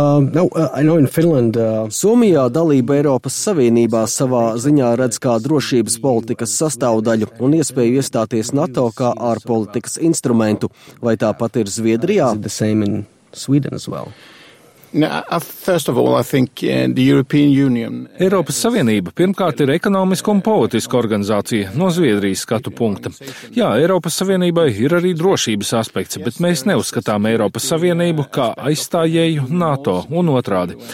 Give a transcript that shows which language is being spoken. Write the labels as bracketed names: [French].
[Latvian] Somijā dalība Eiropas Savienībā savā ziņā redz kā drošības politikas sastāvdaļu un iespēju iestāties NATO kā ārpolitikas instrumentu. Vai tāpat ir Zviedrijā? [English] The same in Sweden as well. [Latvian] Eiropas Savienība pirmkārt ir ekonomiska un politiska organizācija no Zviedrijas skatu punkta. Jā, Eiropas Savienībai ir arī drošības aspekts, bet mēs neuzskatām Eiropas Savienību kā aizstājēju NATO un otrādi.